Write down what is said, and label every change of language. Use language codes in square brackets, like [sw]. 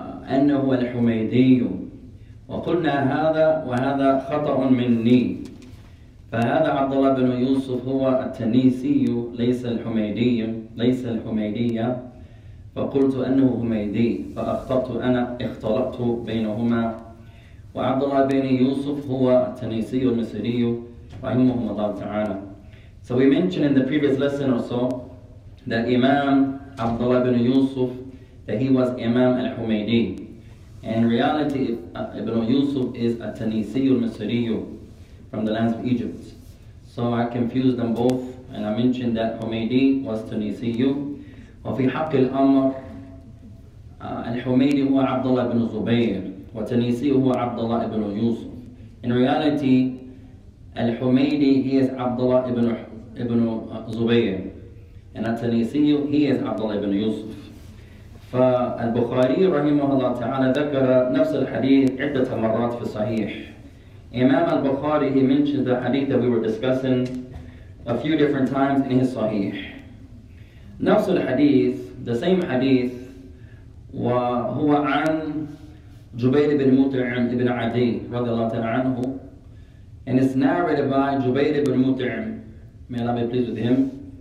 [ar] أنه الحميدي وقلنا هذا وهذا خطأ مني فهذا عبد الله بن يوسف هو التنيسي ليس الحميدي ليس الحميدية فقلت أنه حميدي فأخطأت أنا اختلطت بينهما وعبد الله بن يوسف هو التنيسي المصري رحمه الله تعالى. [en] So we mentioned in the previous lesson or so that Imam Abdullah ibn Yusuf, that he was Imam al-Humaydi. And in reality, Ibn Yusuf is a Tanisi al-Misri from the lands of Egypt. So I confused them both and I mentioned that Humaydi was Tanisi. [ar] وفي حق الأمر الحميدي هو عبد الله بن زبير وتنيسي هو عبد الله بن يوسف. [en] In reality, Al-Humaydi, he is Abdullah ibn Zubayr. And At-Tanisiyu, he is Abdullah ibn Yusuf. [ar] فالبخاري رحمه الله تعالى ذكر نفس الحديث عدة مرات في الصحيح. [en] Imam al-Bukhari, he mentioned the hadith that we were discussing a few different times in his Sahih. [ar] نفس الحديث, [en] the same hadith, [ar] وهو عن جبير بن مطعم بن عدي رضي الله تعالى عنه. [en] And it's narrated by Jubayr ibn Mut'im. May Allah be pleased with him.